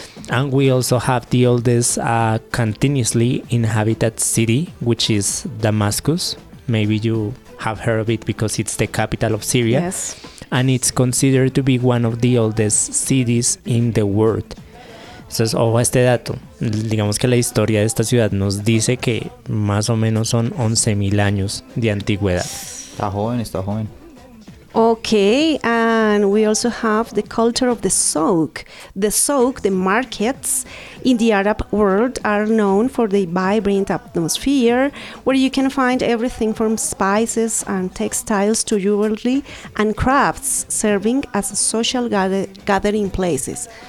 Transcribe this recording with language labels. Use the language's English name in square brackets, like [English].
[English] And we also have the oldest continuously inhabited city, which is Damascus. Maybe you have heard of it because it's the capital of Syria. Yes. And it's considered to be one of the oldest cities in the world. [Spanish] Entonces, ojo a este dato. Digamos que la historia de esta ciudad nos dice que más o menos son 11.000 años de antigüedad. Está joven, está joven. [English] Okay, and we also have the culture of the souk. The souk, the markets in the Arab world, are known for the vibrant atmosphere where you can find everything from spices and textiles to jewelry and crafts, serving as social gathering places.